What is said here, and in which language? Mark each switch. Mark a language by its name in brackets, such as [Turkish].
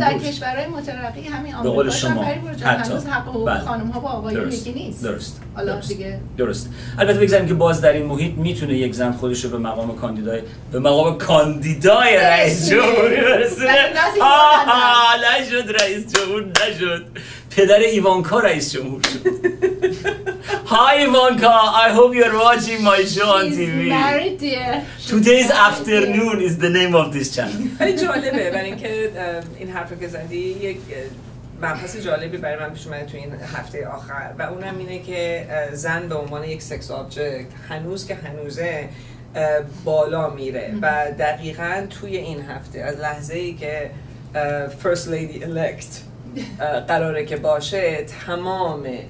[Persian] در کشورهای مترقی همین آمریکا به قول شما حتی حق خانم ها با آقایون یکی نیست. درست دیگه. درست. البته بگذاریم که باز در این محیط میتونه یک زن خودش رو به مقام کاندیدای رئیس جمهور برسونه. آها نشد رئیس جمهور، نشد. پدر ایوانکا رئیس جمهور شد. [English] Hi Ivanka, I hope you're watching my show on TV. She's married, dear. Today's afternoon is the name of this channel. [Persian] خیلی جالبه برای اینکه این حرف رو که زدی یک مبحث جالبی برای من پیش اومده تو این هفته آخر و اونم اینه که زن به عنوان یک سکس آبجکت هنوز که هنوزه بالا میره و دقیقا توی این هفته از لحظه ای که First Lady Elect قراره که باشه تمام